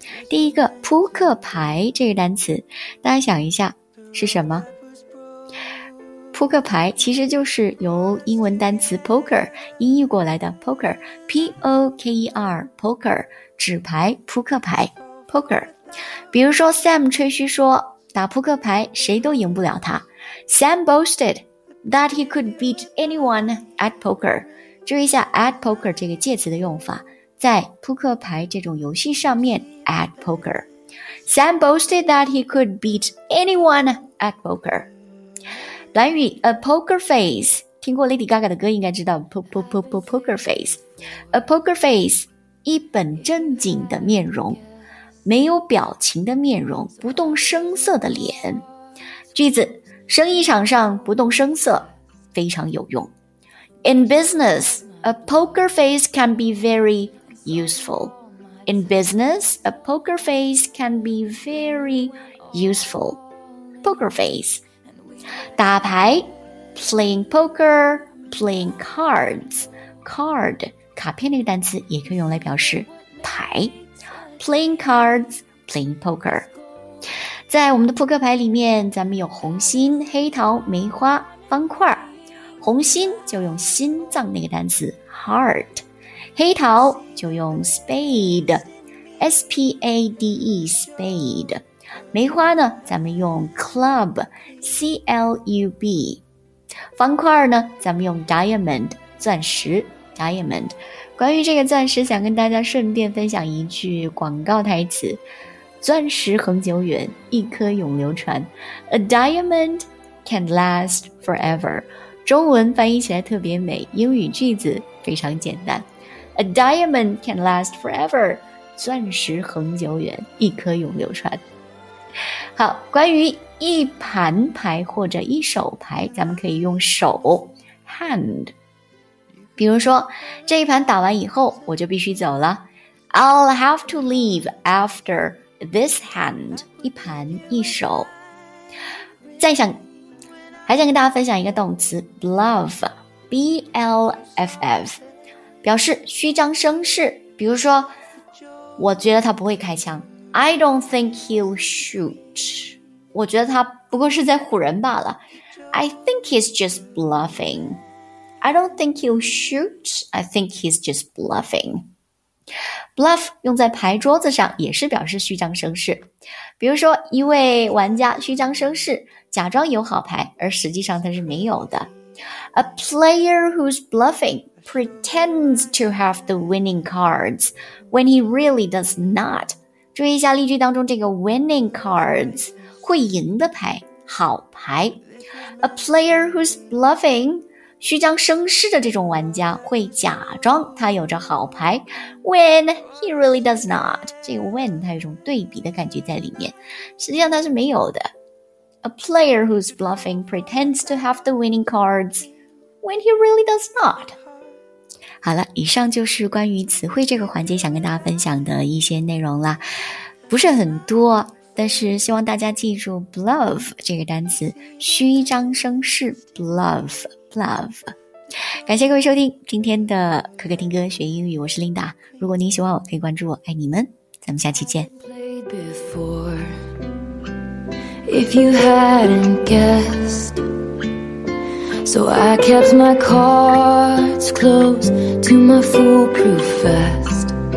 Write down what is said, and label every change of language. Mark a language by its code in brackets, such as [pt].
[zh] 第一个扑克牌这个单词，大家想一下是什么？扑克牌其实就是由英文单词 poker 音译过来的 poker， P-O-K-E-R poker， 纸牌，扑克牌 poker。比如说 Sam 吹嘘说打扑克牌谁都赢不了他， [en] Sam boasted that he could beat anyone at poker。 [zh] 注意一下 [en] at poker [zh] 这个介词的用法，在扑克牌这种游戏上面 [en] at poker， Sam boasted that he could beat anyone at poker。 [zh] 短语 a poker face， 听过 Lady Gaga 的歌应该知道 poker face。 A poker face， 一本正经的面容，没有表情的面容，不动声色的脸。句子，生意场上不动声色非常有用。 [en] In business, a poker face can be very useful. In business, a poker face can be very useful. Poker face. [zh] 打牌, [en] playing poker, playing cards. [zh] Card, 卡片那个单词也可以用来表示牌。 [en] Playing cards, playing poker. [zh] 在我们的扑克牌里面，咱们有红心、黑桃、梅花、方块。红心就用心脏那个单词 heart， 黑桃就用 spade，s p a d e spade， 梅花呢，咱们用 club，c l u b， 方块呢，咱们用 diamond， 钻石 diamond。关于这个钻石，想跟大家顺便分享一句广告台词：钻石恒久远，一颗永流传 ， [en] a diamond can last forever。 [zh] 中文翻译起来特别美，英语句子非常简单。 [en] A diamond can last forever， [zh] 钻石恒久远，一颗永流传。好，关于一盘牌或者一手牌，咱们可以用手 hand。比如说，这一盘打完以后，我就必须走了。 [en] I'll have to leave after this hand， [zh] 一盘一手。再想还想跟大家分享一个动词 bluff， b l f f， 表示虚张声势。比如说，我觉得他不会开枪 ， [en] I don't think he'll shoot。 [zh] 我觉得他不过是在唬人罢了 ， [en] I think he's just bluffing。 I don't think he'll shoot。 I think he's just bluffing。 [zh] Bluff 用在牌桌子上也是表示虚张声势。比如说，一位玩家虚张声势，假装有好牌，而实际上他是没有的。 [en] A player who's bluffing pretends to have the winning cards when he really does not. [zh] 注意一下例句当中这个 winning cards， 会赢的牌，好牌。 [en] A player who's bluffing， [zh] 虚张声势的这种玩家会假装他有着好牌 [en] when he really does not. [zh] 这个 when 它有一种对比的感觉在里面，实际上他是没有的。 [en] A player who's bluffing pretends to have the winning cards when he really does not. [zh] 好了，以上就是关于词汇这个环节想跟大家分享的一些内容了。不是很多，但是希望大家记住 bluff 这个单词，虚张声势 bluff, bluff。感谢各位收听今天的可可听歌学英语，我是 Linda。如果您喜欢我，可以关注我，爱你们，咱们下期见。 [en] If you hadn't guessed, so I kept my cards close to my foolproof vest.